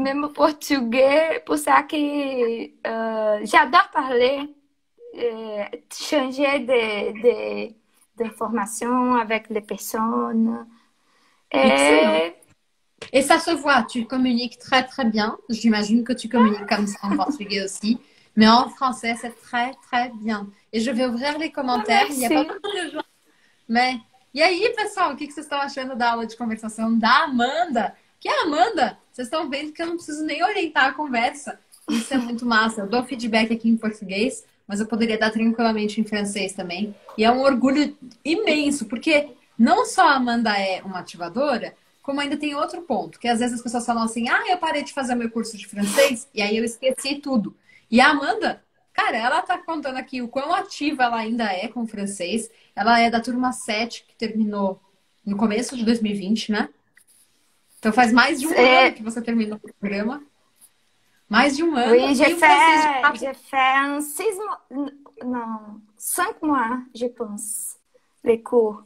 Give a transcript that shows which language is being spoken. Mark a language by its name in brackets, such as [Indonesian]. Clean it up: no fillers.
[French] Même portugais, pour ça que j'adore parler, changer d'informations avec les personnes. Excellent. Et Et ça se voit, tu communiques très très bien. J'imagine que tu communiques comme ça en portugais aussi. Mais en français, c'est très très bien. Et je vais ouvrir les commentaires. Il y a pas merci. mal de gens. Mais. [Portuguese] E aí, pessoal, o que vocês estão achando da aula de conversação da Amanda? Que é a Amanda? Vocês estão vendo que eu não preciso nem orientar a conversa. Isso é muito massa. Eu dou feedback aqui em português, mas eu poderia dar tranquilamente em francês também. E é um orgulho imenso, porque não só a Amanda é uma ativadora, como ainda tem outro ponto, que às vezes as pessoas falam assim: ah, eu parei de fazer meu curso de francês, e aí eu esqueci tudo. E a Amanda. Cara, ela tá contando aqui o quão ativa ela ainda é com o francês. Ela é da turma 7, que terminou no começo de 2020, né? Então faz mais de um ano que você terminou o programa. Mais de um ano. [French] Oui, [Portuguese] E o francês já. [French] j'ai fait un 6 mois, non, 5 mois, je pense, les cours.